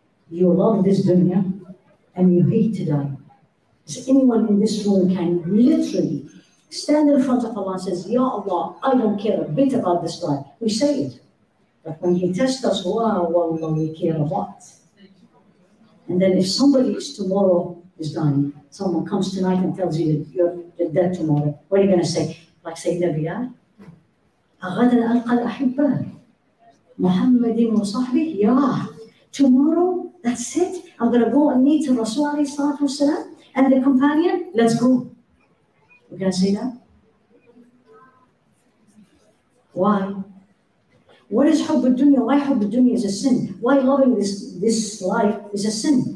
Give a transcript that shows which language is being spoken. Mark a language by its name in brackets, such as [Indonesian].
[English] You love this dunya and you hate to die. So anyone in this room can literally stand in front of Allah and says, Ya Allah, I don't care a bit about this life. We say it. But when he tests us, wow, we care a lot. And then if somebody is tomorrow is dying, someone comes tonight and tells you that you're dead tomorrow, what are you going to say? Like Sayyidina Bilal? [Arabic] أَغَدًا أَلْقَى الْأَحِبَّةِ مُحَمَّدٍ وَصَحْبِهِ يَا [English] tomorrow, that's it. I'm going to go and meet Rasulullah and the companion. Let's go. We're going to say that? Why? What is hubb al-dunya? Why hubb al-dunya is a sin? Why loving this life is a sin?